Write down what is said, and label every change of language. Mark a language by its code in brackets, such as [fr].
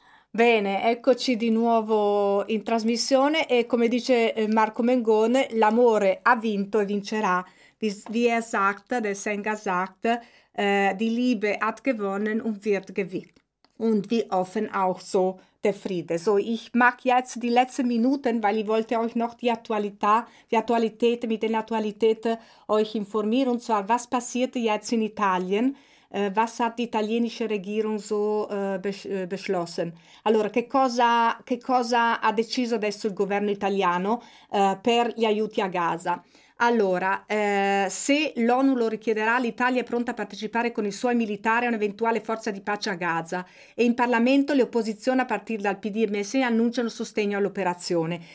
[it] Bene, eccoci di nuovo in trasmissione e come dice Marco Mengone, l'amore ha vinto e vincerà. [de] Wie er sagt, der Sänger sagt, die Liebe hat gewonnen und wird gewinnen. Und wie offen auch so der Friede. So, ich mache jetzt die letzten Minuten, weil ich wollte euch noch mit den Aktualität euch informieren. Und zwar, was passiert jetzt in Italien? Was hat die italienische Regierung so beschlossen? [it] Allora, che cosa ha deciso adesso il governo italiano per gli aiuti a Gaza? Allora, se l'ONU lo richiederà, l'Italia è pronta a partecipare con i suoi militari a un'eventuale forza di pace a Gaza. E in Parlamento le opposizioni, a partire dal PD e MSI, annunciano sostegno all'operazione.